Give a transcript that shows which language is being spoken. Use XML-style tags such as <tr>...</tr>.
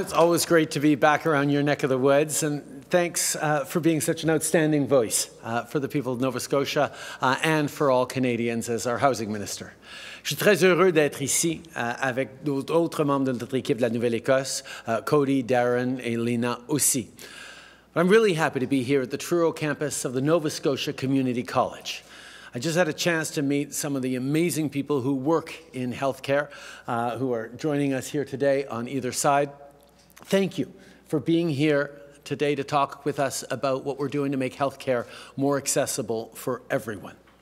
<en>It's always great to be back around your neck of the woods. And thanks for being such an outstanding voice for the people of Nova Scotia and for all Canadians as our housing minister.</en> <fr>Je suis très heureux d'être ici avec d'autres membres de notre équipe de la Nouvelle-Écosse, Cody, Darren et Lena aussi.</fr> <en>But I'm really happy to be here at the Truro campus of the Nova Scotia Community College. I just had a chance to meet some of the amazing people who work in healthcare, who are joining us here today on either side. Thank you for being here today to talk with us about what we're doing to make healthcare more accessible for everyone.</en>